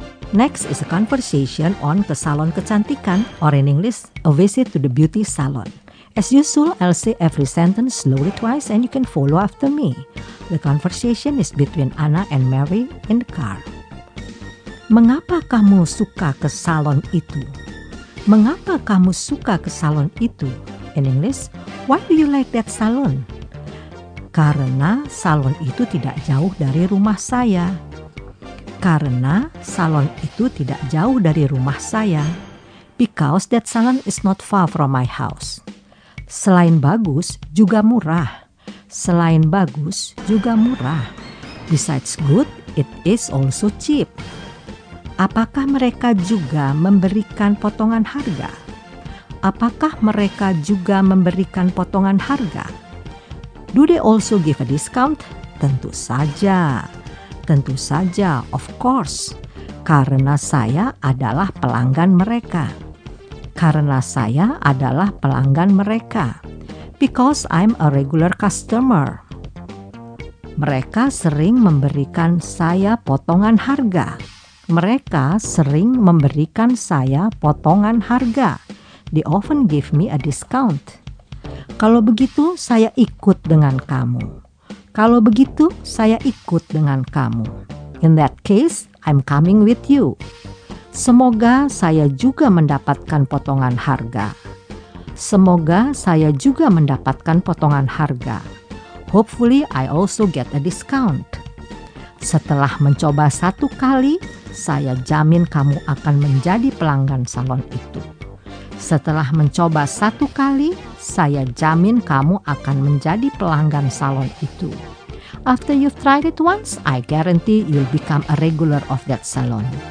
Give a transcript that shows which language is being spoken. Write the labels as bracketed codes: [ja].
[en] Next is a conversation on the salon kecantikan, or in English, a visit to the beauty salon. As usual, I'll say every sentence slowly twice and you can follow after me. The conversation is between Anna and Mary in the car. [id] Mengapa kamu suka ke salon itu? Mengapa kamu suka ke salon itu? [en] In English, why do you like that salon? [id] Karena salon itu tidak jauh dari rumah saya. Karena salon itu tidak jauh dari rumah saya. [en] Because that salon is not far from my house. [id] Selain bagus, juga murah. Selain bagus, juga murah. [en] Besides good, it is also cheap. [id] Apakah mereka juga memberikan potongan harga? Apakah mereka juga memberikan potongan harga? [en] Do they also give a discount? [id] Tentu saja. Tentu saja, [en] of course. [id] Karena saya adalah pelanggan mereka. Karena saya adalah pelanggan mereka. [en] Because I'm a regular customer. [id] Mereka sering memberikan saya potongan harga. Mereka sering memberikan saya potongan harga. [en] They often give me a discount. [id] Kalau begitu, saya ikut dengan kamu. Kalau begitu, saya ikut dengan kamu. [en] In that case, I'm coming with you. [id] Semoga saya juga mendapatkan potongan harga. Semoga saya juga mendapatkan potongan harga. [en] Hopefully, I also get a discount. [id] Setelah mencoba satu kali, saya jamin kamu akan menjadi pelanggan salon itu. Setelah mencoba satu kali, saya jamin kamu akan menjadi pelanggan salon itu. [en] After you've tried it once, I guarantee you'll become a regular of that salon.